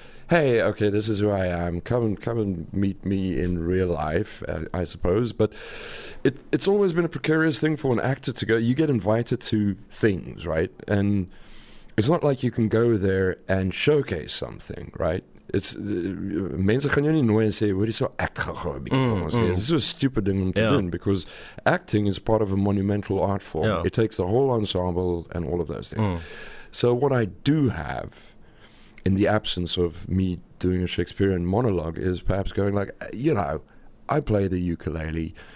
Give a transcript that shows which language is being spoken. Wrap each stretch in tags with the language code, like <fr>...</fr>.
<en>Hey, okay, this is who I am. Come and meet me in real life, I suppose. But it's always been a precarious thing for an actor to go. You get invited to things, right? And it's not like you can go there and showcase something, right? It's</en> <af>mense gaan jou nie nooi en sê hoor hierso ek gaan gou 'n bietjie kom ons sê.</af> <en>It's a stupid thing to do because acting is part of a monumental art form. Yeah. It takes a whole ensemble and all of those things. Mm. So what I do have in the absence of me doing a Shakespearean monologue, is perhaps going like, you know, I play the ukulele.</en>